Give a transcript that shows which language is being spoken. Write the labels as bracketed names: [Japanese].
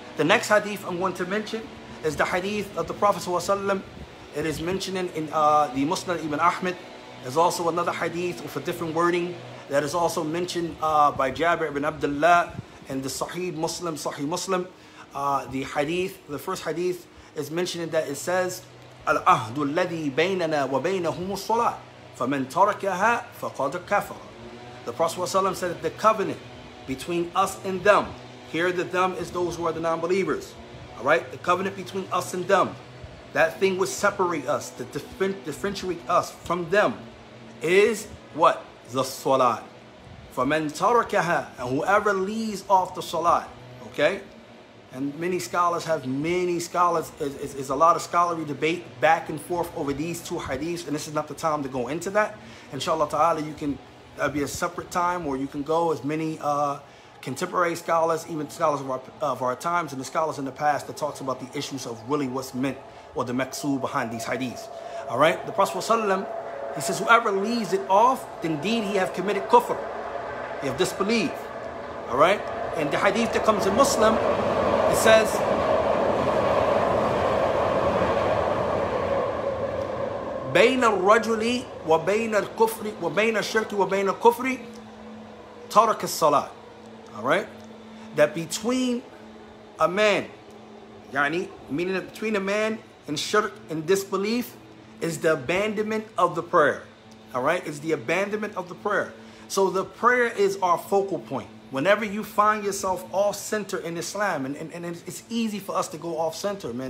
[English] The next hadith I'm going to mention is the hadith of the Prophet ﷺ. It is mentioned in the Musnad Ibn Ahmad. There's also another hadith with a different wording that is also mentioned by Jabir ibn Abdullah in the Sahih Muslim. The hadith, the first hadith is mentioned that it says, [Arabic] العهد الذي بيننا وبينهم الصلاة فمن تركها فقد كفر. [English] The Prophet ﷺ said, the covenant between us and them. Here the them is those who are the non-believers. All right? The covenant between us and them. That thing would separate us, to differentiate us from them, is what? The salat. For men tarakaha, and whoever leaves off the salat, okay? And many scholars have many scholars, is a lot of scholarly debate back and forth over these two hadiths, and this is not the time to go into that. Inshallah ta'ala, you can, that'd be a separate time, or you can go as many contemporary scholars, even scholars of our times, and the scholars in the past that talks about the issues of really what's meant, or the maqsood behind these hadiths. All right? The Prophet ﷺ, he says, whoever leaves it off, indeed he have committed kufr. He have disbelieved. All right? And the hadith that comes in Muslim, it says, [Arabic] بَيْنَ الرَّجُلِ وَبَيْنَ الْكُفْرِ وَبَيْنَ الشِّرْكِ وَبَيْنَ الْكُفْرِ تَرَكَ الصَّلَاةِ. [English] All right? That between a man, يعني, meaning that between a man and shirk and disbelief is the abandonment of the prayer. All right? It's the abandonment of the prayer. So the prayer is our focal point. Whenever you find yourself off center in Islam, and it's easy for us to go off center, man.